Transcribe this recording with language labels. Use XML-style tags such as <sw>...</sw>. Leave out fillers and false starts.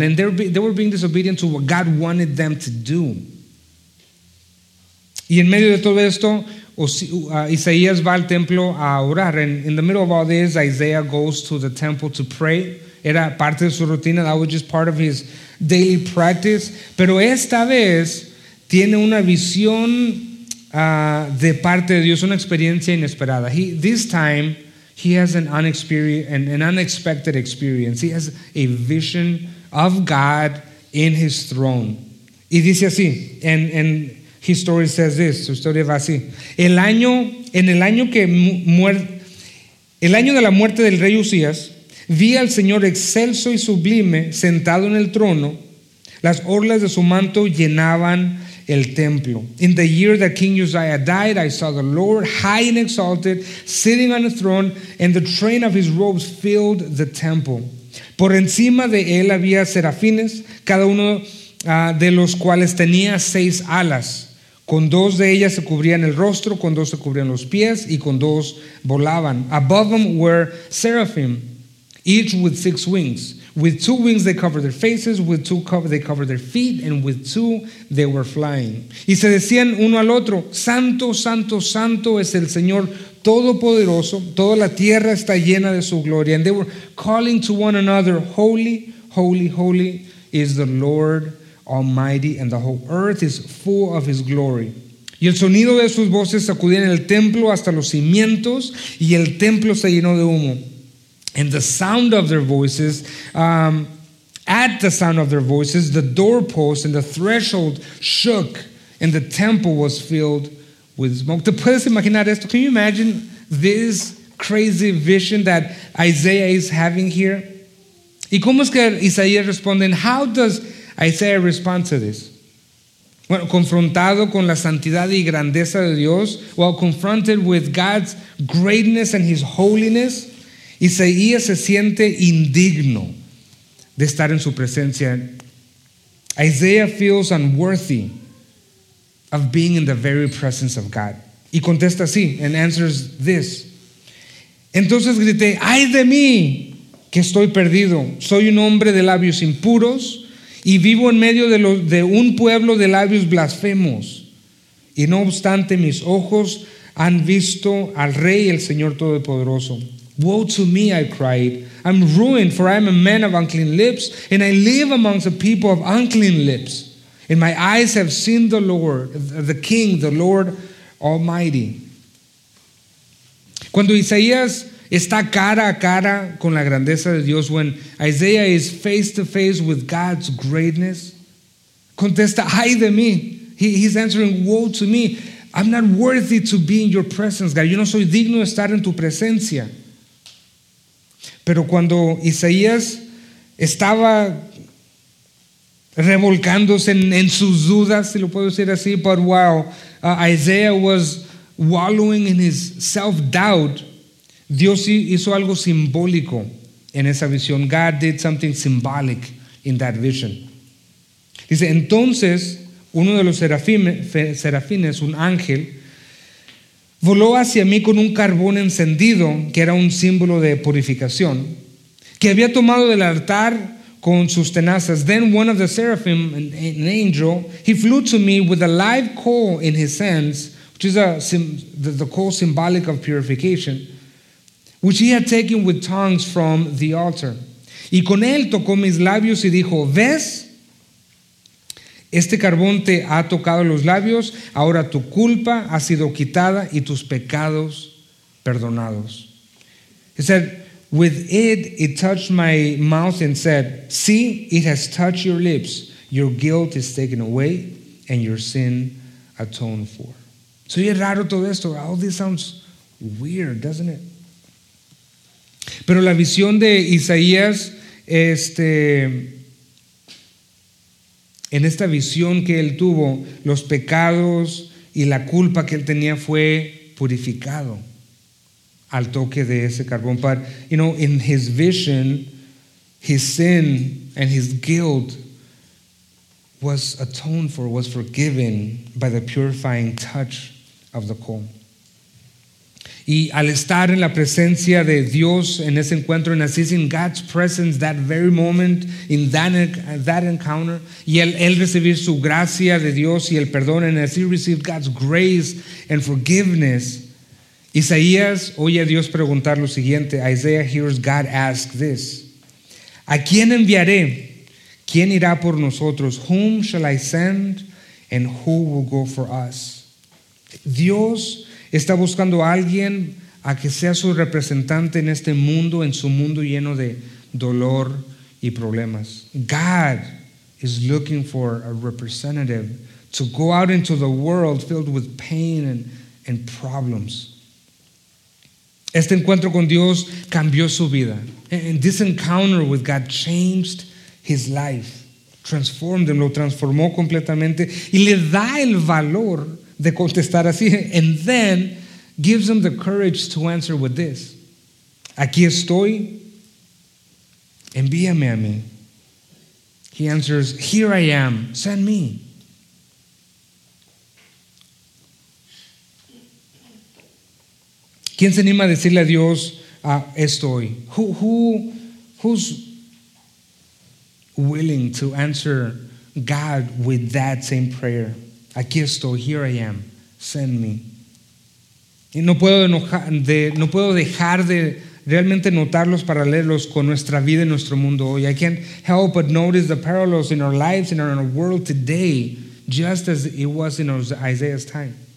<en>And they were being disobedient to what God wanted them to do.</en> <es>Y en medio de todo esto, Isaías va al templo a orar.</es> <en>And in the middle of all this, Isaiah goes to the temple to pray.</en> <es>Era parte de su rutina.</es> <en>That was just part of his daily practice.</en> <es>Pero esta vez tiene una visión de parte de Dios, una experiencia inesperada.</es> <en>This time he has an unexpected experience. He has a vision of God in his throne.</en> <es>Y dice así,</es> <en>and his story says this.</en> <es>Su historia va así. El año de la muerte del rey Usías, vi al Señor excelso y sublime sentado en el trono. Las orlas de su manto llenaban el templo.</es> <en>In the year that King Uzziah died, I saw the Lord high and exalted, sitting on the throne, and the train of his robes filled the temple.</en> <es>Por encima de él había serafines, cada uno de los cuales tenía seis alas. Con dos de ellas se cubrían el rostro, con dos se cubrían los pies, y con dos volaban.</es> <en>Above them were seraphim, each with six wings. With two wings they covered their faces, with two they covered their feet, and with two they were flying.</en> <es>Y se decían uno al otro, Santo, Santo, Santo es el Señor Todopoderoso, toda la tierra está llena de su gloria.</es> <en>And they were calling to one another, Holy, holy, holy is the Lord Almighty, and the whole earth is full of his glory.</en> <es>Y el sonido de sus voces sacudía en el templo hasta los cimientos, y el templo se llenó de humo.</es> <en>And the sound of their voices, at the sound of their voices, the doorpost and the threshold shook, and the temple was filled with smoke.</en> <es>¿Te puedes imaginar esto?</es> <en>Can you imagine this crazy vision that Isaiah is having here?</en> <es>¿Y cómo es que Isaías responde?</es> <en>And how does Isaiah respond to this?</en> <es>Bueno, confrontado con la santidad y grandeza de Dios,</es> <en>while confronted with God's greatness and his holiness,</en> <es>Isaías se siente indigno de estar en su presencia.</es> <en>Isaiah feels unworthy of being in the very presence of God.</en> <es>Y contesta así,</es> <en>and answers this.</en> <es>Entonces grité, ¡ay de mí, que estoy perdido! Soy un hombre de labios impuros y vivo en medio de un pueblo de labios blasfemos. Y no obstante, mis ojos han visto al Rey, el Señor Todopoderoso.</es> <en>Woe to me, I cried. I'm ruined, for I am a man of unclean lips, and I live amongst a people of unclean lips. And my eyes have seen the Lord, the King, the Lord Almighty.</en> <es>Cuando Isaías está cara a cara con la grandeza de Dios,</es> <en>when Isaiah is face to face with God's greatness,</en> <es>contesta, ay de mí.</es> <en>He's answering, woe to me. I'm not worthy to be in your presence, God.</en> <es>Yo no soy digno de estar en tu presencia. Pero cuando Isaías estaba revolcándose en sus dudas, si lo puedo decir así,</es> <en>but while Isaiah was wallowing in his self-doubt,</en> <es>Dios hizo algo simbólico en esa visión.</es> <en>God did something symbolic in that vision.</en> <es>Dice, entonces uno de los serafines, un ángel, voló hacia mí con un carbón encendido, que era un símbolo de purificación, que había tomado del altar con sus tenazas.</es> <en>Then one of the seraphim, an angel, he flew to me with a live coal in his hands, which is the coal symbolic of purification, which he had taken with tongs from the altar.</en> <es>Y con él tocó mis labios y dijo, ¿ves? Este carbón te ha tocado los labios, ahora tu culpa ha sido quitada y tus pecados perdonados.</es> <en>He said, with it touched my mouth and said, see, it has touched your lips. Your guilt is taken away and your sin atoned for. So</en> <es>es raro todo esto.</es> <en>All this sounds weird, doesn't it?</en> <es>Pero la visión de Isaías, en esta visión que él tuvo, los pecados y la culpa que él tenía fue purificado al toque de ese carbón.</es> <en>But, you know, in his vision, his sin and his guilt was atoned for, was forgiven by the purifying touch of the coal.</en> <es>Y al estar en la presencia de Dios en ese encuentro, en así,</es> <en>in God's presence that very moment, in that encounter,</en> <es>y él recibir su gracia de Dios y el perdón,</es> <en>and as he received God's grace and forgiveness,</en> <es>Isaías oye a Dios preguntar lo siguiente.</es> <en>Isaiah hears God ask this.</en> <es>¿A quién enviaré? ¿Quién irá por nosotros?</es> <en>Whom shall I send? And who will go for us?</en> <es>Dios está buscando a alguien a que sea su representante en este mundo, en su mundo lleno de dolor y problemas.</es> <en>God is looking for a representative to go out into the world filled with pain and problems.</en> <es>Este encuentro con Dios cambió su vida.</es> <en>And this encounter with God changed his life, transformed him,</en> <es>lo transformó completamente y le da el valor de contestar así,</es> <en>and then gives him the courage to answer with this.</en> <es>Aquí estoy, envíame a mí.</es> <en>He answers, here I am, send me.</en> <es>¿Quién se anima a decirle a Dios, estoy?</es> <en>Who's willing to answer God with that same prayer?</en> <es>Aquí estoy,</es> <en>here I am, send me.</en> <es>Y no puedo dejar de realmente notar los paralelos con nuestra vida y nuestro mundo hoy.</es> <en>I can't help but notice the parallels in our lives and in our world today, just as it was in Isaiah's time.</en>